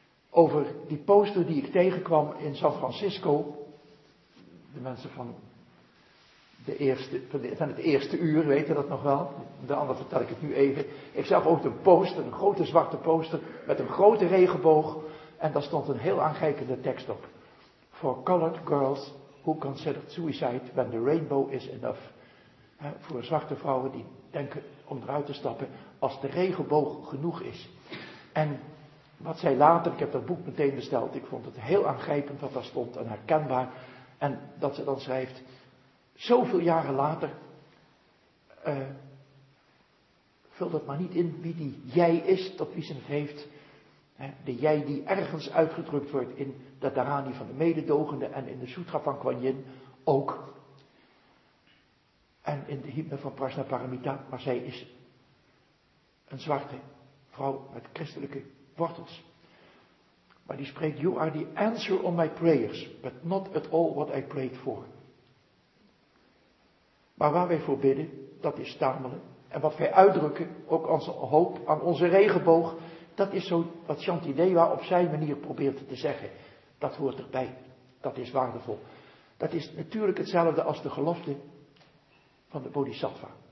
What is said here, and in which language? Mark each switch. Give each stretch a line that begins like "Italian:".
Dutch: Over die poster die ik tegenkwam in San Francisco. De mensen van het eerste uur weten dat nog wel. De ander vertel ik het nu even. Ik zag ook een poster, een grote zwarte poster met een grote regenboog. En daar stond een heel aangrijpende tekst op.
English: For colored girls who considered suicide when the rainbow is enough.
Dutch: Voor zwarte vrouwen die denken om eruit te stappen als de regenboog genoeg is. En wat zij later, ik heb dat boek meteen besteld, ik vond het heel aangrijpend wat daar stond en herkenbaar. En dat ze dan schrijft, zoveel jaren later, vul dat maar niet in wie die jij is tot wie ze het heeft. De jij die ergens uitgedrukt wordt in de Dharani van de mededogende en in de Sutra van Kuan Yin ook. En in de hymne van Prajnaparamita, maar zij is een zwarte vrouw met christelijke wortels. Maar die spreekt,
English: you are the answer of my prayers, but not at all what I prayed for.
Dutch: Maar waar wij voor bidden, dat is stamelen. En wat wij uitdrukken, ook onze hoop aan onze regenboog, dat is zo wat Shanti Deva op zijn manier probeert te zeggen. Dat hoort erbij, dat is waardevol. Dat is natuurlijk hetzelfde als de gelofte van de bodhisattva.